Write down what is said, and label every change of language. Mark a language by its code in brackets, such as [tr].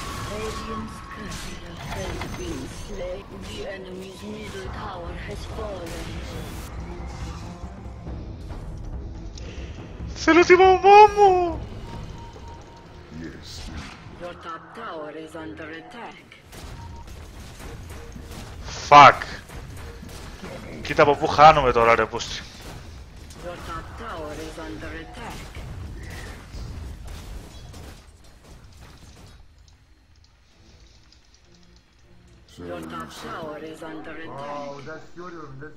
[en] Radiant's courier has been slain. The enemy's middle tower has fallen. [el] Θέλω τη μαμά μου! [en] Yes. Your top tower is under attack. Fuck. [el] Κοίτα από πού χάνομαι τώρα ρε πούστη. [en] Your top tower is under attack. Your top tower is under attack. Wow, that's your room,